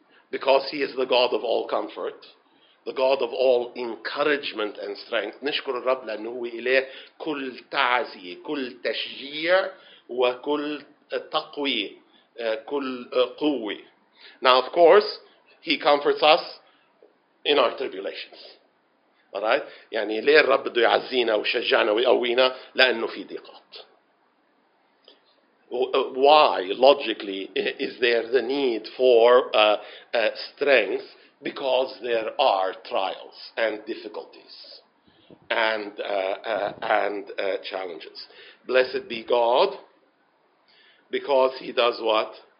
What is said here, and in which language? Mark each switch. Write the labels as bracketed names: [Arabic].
[English] Because He is the God of all comfort. The God of all encouragement and strength. [Arabic] نشكر الرب لأنه هو إله كل تعزية, كل تشجيع وكل تقوية, كل قوة. [English] Now, of course, He comforts us in our tribulations. All right? [Arabic] يعني ليه الرب بده يعزينا ويشجعنا ويقوينا؟ لأنه في ضيقات. [English] Why, logically, is there the need for strength? Because there are trials and difficulties and challenges. Blessed be God, because He does what?